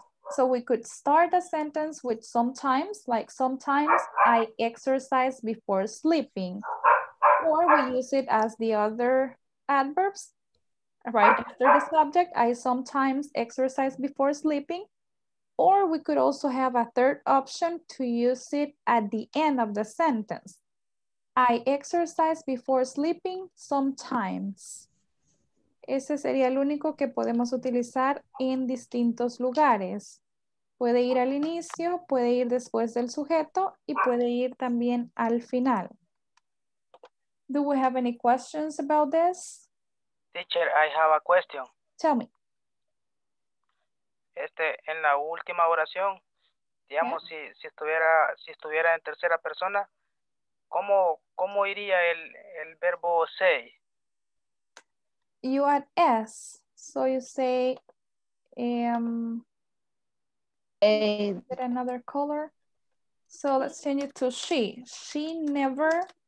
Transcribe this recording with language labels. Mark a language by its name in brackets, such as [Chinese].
[English] So we could start a sentence with sometimes, like sometimes I exercise before sleeping, or we use it as the other adverbs right after the subject. I sometimes exercise before sleeping. Or we could also have a third option to use it at the end of the sentence. I exercise before sleeping sometimes. [Spanish] Ese sería el único que podemos utilizar en distintos lugares. Puede ir al inicio, puede ir después del sujeto y puede ir también al final. [English] Do we have any questions about this? Teacher, I have a question. Tell me. [Spanish] En la última oración, digamos, yeah. si estuviera en tercera persona, ¿cómo iría el verbo say? [English] You add S, so you say, get another color. So let's change it to she. She never